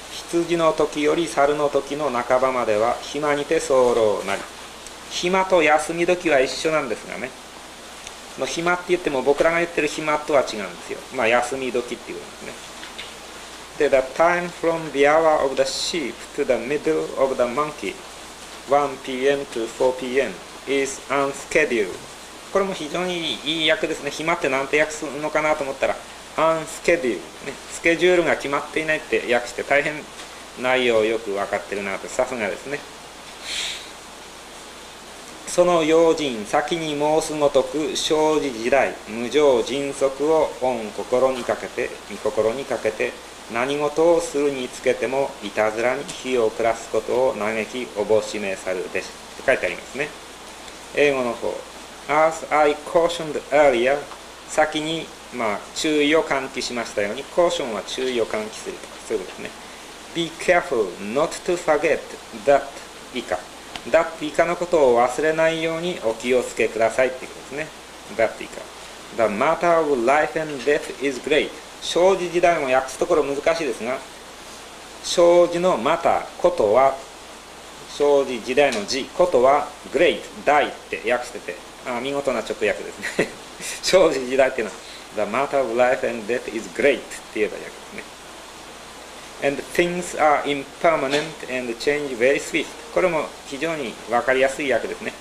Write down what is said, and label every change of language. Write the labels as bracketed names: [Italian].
[Japanese] 羊の時より猿の時の半ばまでは暇にて候なり。暇と休み時は一緒なんですがね、の暇って言っても僕らが言ってる暇とは違うんですよ。まあ休み時っていうことですね。 [English] で、the time from the hour of the sheep to the middle of the monkey, 1pm to 4pm, is unscheduled. [Japanese] これも非常にいい訳ですね。暇ってなんて訳すのかなと思ったら、unscheduled、ね。スケジュールが決まっていないって訳して、大変内容をよく分かってるなと、さすがですね。その用心先に申すごとく生じ時代無常迅速を御心にかけて御心にかけて何事をするにつけてもいたずらに火を暮らすことを嘆きおぼしめさるでしと書いてありますね。英語の方 [English] As I cautioned earlier [Japanese] 先に、まあ、注意を喚起しましたように、 caution は注意を喚起するとかそういうことですね。 [English] Be careful not to forget that [Japanese] 以下だって以下のことを忘れないようにお気をつけくださいっていうことですね。だって以下。 [English] The matter of life and death is great. [Japanese] 生じ時代も訳すところ難しいですが、生じのまたことは、生じ時代の字、ことは great、大って訳してて、ああ見事な直訳ですね。生じ時代っていうのは、 [English] The matter of life and death is great [Japanese] って言えば訳ですね。 [English] And things are impermanent and change very swift. [Japanese] これも非常に分かりやすい訳ですね。